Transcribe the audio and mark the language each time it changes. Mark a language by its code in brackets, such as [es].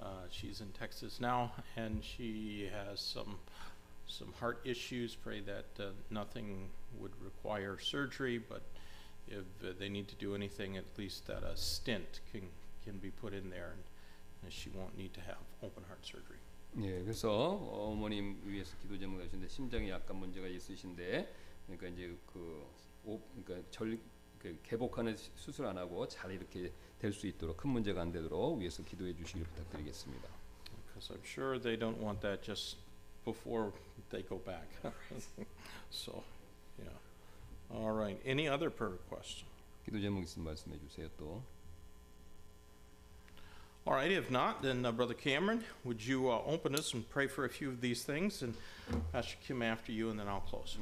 [en] She's in Texas now, and she has some heart issues. Pray that nothing would require surgery, but if they need to do anything, at least that a stent can be put in there, and she won't need to have open heart surgery. [ko] 예, 그래서 어머님 위해서 기도 제목 하셨는데 심장에 약간 문제가 있으신데 그러니까 이제 그 그러니까 절 그 개복하는 수술 안 하고 잘 이렇게 될 수 있도록 큰 문제가 안 되도록 위해서 기도해 주시길 부탁드리겠습니다. [en] Because I'm sure they don't want that just before they go back. So, yeah. All right. Any other prayer requests? [ko] 기도 제목 있으면 말씀해 주세요 또. [en] All right, if not, then Brother Cameron, would you open us and pray for a few of these things, and Pastor Kim after you, and then I'll close.